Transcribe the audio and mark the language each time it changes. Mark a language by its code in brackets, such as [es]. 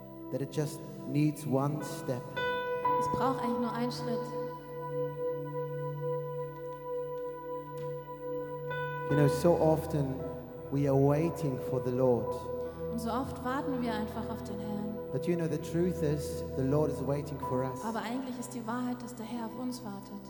[en] That it just needs one step. [de] Es braucht eigentlich nur einen Schritt. [en] You know, so often we are waiting for the Lord. [de] Und so oft warten wir einfach auf den Herrn. [en] But you know the truth is the Lord is waiting for us. [de] Aber eigentlich ist die Wahrheit, dass der Herr auf uns wartet.